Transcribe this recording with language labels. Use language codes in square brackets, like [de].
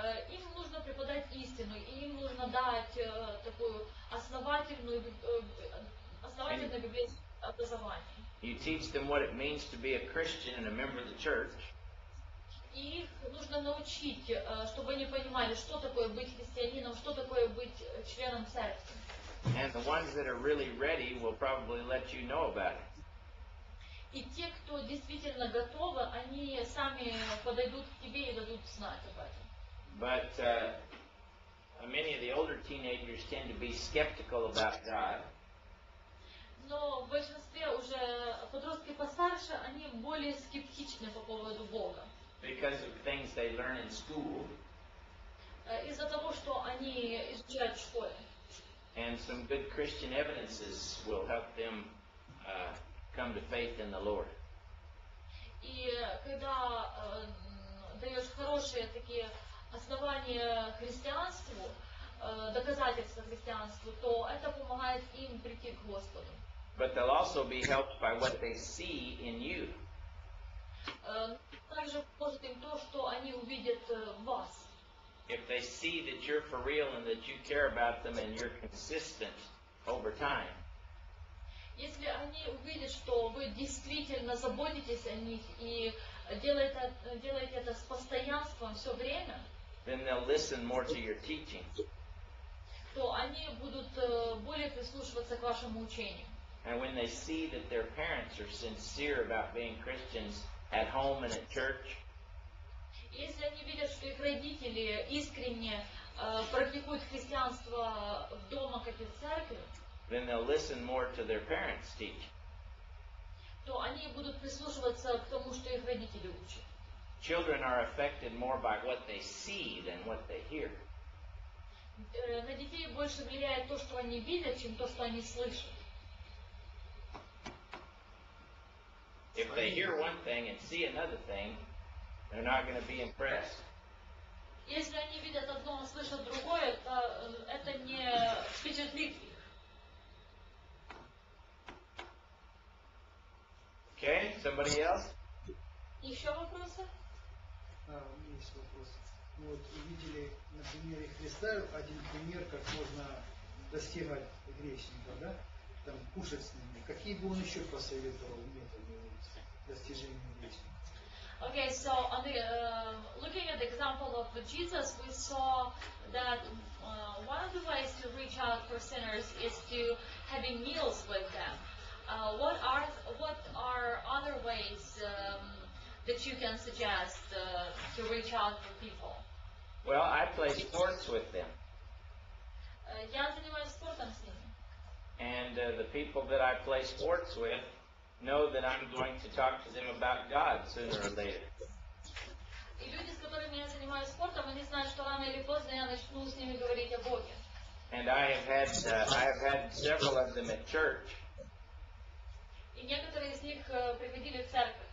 [ru] Им нужно преподать истину, и им нужно дать такую основательную библейскую образование. [en] You teach them what it means to be a Christian and a member of the church. [ru] Их нужно научить, чтобы они понимали, что такое быть христианином, что такое быть членом церкви. [en] And the ones that are really ready will probably let you know about it. [ru] И те, кто действительно готовы, они сами подойдут к тебе и дадут знать об этом. [en] But many of the older teenagers tend to be skeptical about God. [ru] Но в большинстве уже подростки постарше, они более скептичны по поводу Бога. [en] Because of things they learn in school. [ru] Из-за того, что они изучают в школе. [en] And some good Christian evidences will help them come to faith in the Lord. [ru] И когда даешь хорошие такие основания христианству, доказательства христианству, то это помогает им прийти к Господу. [en] But they'll also be helped by what they see in you. [ru] Также поможет им то, что они увидят вас. [en] If they see that you're for real and that you care about them and you're consistent over time. [ru] Если они увидят, что вы действительно заботитесь о них и делаете это с постоянством все время, [en] then they'll listen more to your teaching. [ru] То они будут более прислушиваться к вашему учению. [en] And when they see that their parents are sincere about being Christians at home and at church, [ru] если они видят, что их родители искренне практикуют христианство дома, как и в церкви, [en] then they'll listen more to their parents' teaching. [ru] То они будут прислушиваться к тому, что их родители учат. [en] Children are affected more by what they see than what they hear. [ru] На детей больше влияет то, что они видят, чем то, что они слышат. [en] If they hear one thing and see another thing, they're not going to be impressed. [ru] Если они видят одно, а слышат другое, это не впечатлит их. [en] Okay, somebody else? [ru] Еще вопросы? Есть вопросы. Вот увидели на примере Христа один пример, как можно достигать грешника, да? Там кушать с ними. Какие бы он еще посоветовал методы достижения грешника? [en] Okay, so on the, looking at the example of Jesus, we saw that one of the ways to reach out for sinners is to having meals with them. What are other ways that you can suggest to reach out for people? Well, I play sports with them. [ru] Я занимаюсь спортом с ними. [en] And the people that I play sports with know that I'm going to talk to them about God sooner or later. [ru] И люди, с которыми я занимаюсь спортом, они знают, что рано или поздно я начну с ними говорить о Боге. [en] And I have had several of them at church. [ru] И некоторые из них приходили в церковь.